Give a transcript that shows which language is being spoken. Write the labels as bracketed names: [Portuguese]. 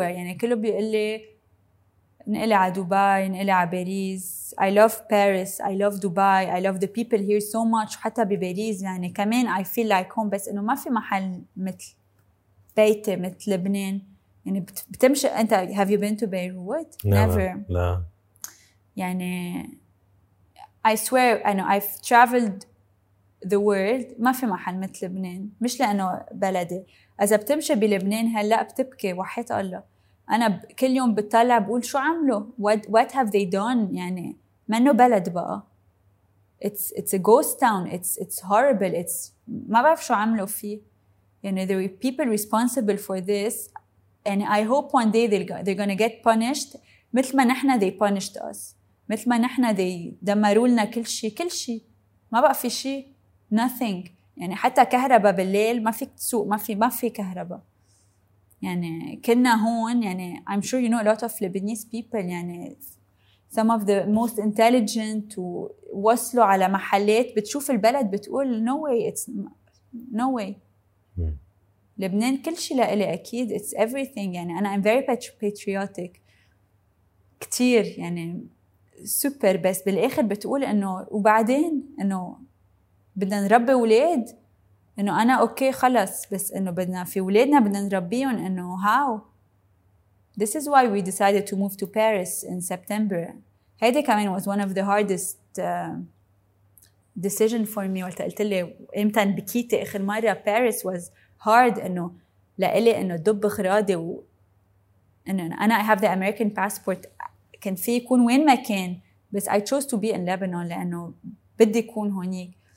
[Arabic] يعني كله بيقول لي نقلي على دبي نقلي على باريس. [English] I love Paris I love Dubai I love the people here so much. [Arabic] حتى بباريس يعني كمان [English] I feel like home. [Arabic] بس انه ما في محل مثل بيتي مثل لبنان. يعني بتمشي انت [English] have you been to Beirut never [Arabic] لا يعني [English] I swear I know I've traveled the world. [Arabic] ما في محل مثل لبنان. مش لأنه بلدي. إذا بتمشي بلبنان هلأ بتبكي وحيت الله. أنا كل يوم بتطلع بقول شو عملوا [English] what have they done. [Arabic] يعني ما إنه بلد بقى. [English] It's a ghost town. It's horrible. It's [Arabic] ما بعرف شو عملوا فيه. يعني [English] there are people responsible for this and I hope one day they're gonna get punished [Arabic] مثل ما نحنا [English] they punished us. [Arabic] مثل ما نحنا they دمروا لنا كل شيء كل شيء. ما بقى في شيء [English] nothing. [Arabic] يعني حتى كهرباء بالليل ما فيك تسوق ما في كهرباء. يعني كنا هون يعني [English] I'm sure you know a lot of Lebanese people يعني some of the most intelligent [Arabic] ووصلوا على محلات بتشوف البلد بتقول [English] no way it's no way. [Arabic] لبنان كل شيء لإلي أكيد [English] it's everything. [Arabic] يعني أنا [English] I'm very patriotic [Arabic] كتير يعني super. بس بالآخر بتقول إنه وبعدين إنه بدنا نربي أولاد. إنه أنا أوكي خلص بس إنه بدنا في أولادنا بدنا نربيهم. إنه [English] how this is why we decided to move to Paris in September. [Arabic] هيدي كمان [English] was one of the hardest decision for me. [Arabic] وقلت قلت لي إمتى بكيت آخر مرة [English] Paris was hard. [Arabic] إنه لقلي إنه دب خرادي وإنه أنا [English] I have the American passport [Arabic] كان في يكون وين ما كان. [English] بس I chose to be in Lebanon [Arabic] لأنه بدي يكون هونيك.